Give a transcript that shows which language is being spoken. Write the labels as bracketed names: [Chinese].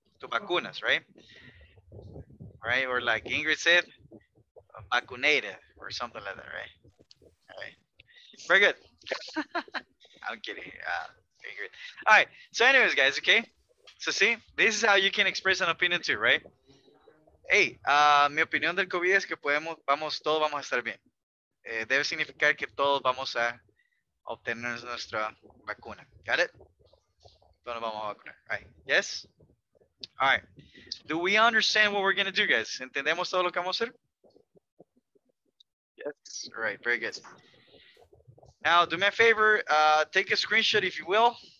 [English] To vacunas, right? Right, or like Ingrid said, vacunated or something like that, right? All right, very good. I'm kidding, Ingrid. All right, so anyways, guys, okay? So see, this is how you can express an opinion too, right? [Spanish] Hey, mi opinión del COVID es que podemos, vamos, todos vamos a estar bien. Debe significar que todos vamos a obtener nuestra vacuna. Got it? Todos nos vamos a vacunar. All right, yes? All right. [English] Do we understand what we're going to do, guys? [Spanish] ¿Entendemos todo lo que vamos a hacer? [English] Yes. All right. Very good. Now, do me a favor. Take a screenshot, if you will.